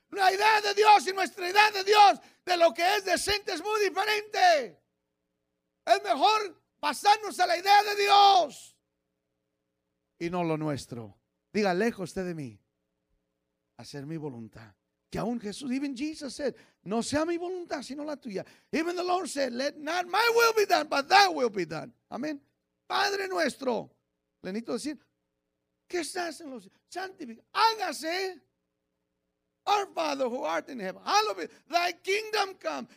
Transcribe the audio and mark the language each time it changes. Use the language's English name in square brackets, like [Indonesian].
[Spanish] La idea de Dios y nuestra idea de Dios de lo que es decente es muy diferente. Es mejor pasarnos a la idea de Dios y no lo nuestro. Diga, lejos usted de mí, hacer mi voluntad. Que aún Jesús, [English] even Jesus said, [Spanish] no sea mi voluntad sino la tuya. [English] Even the Lord said, let not my will be done, but thy will be done. [Spanish] Amén. Padre nuestro, le necesito decir, ¿qué estás en los cielos? Santificado. Hágase. [English] Our Father who art in heaven, hallowed be thy kingdom come.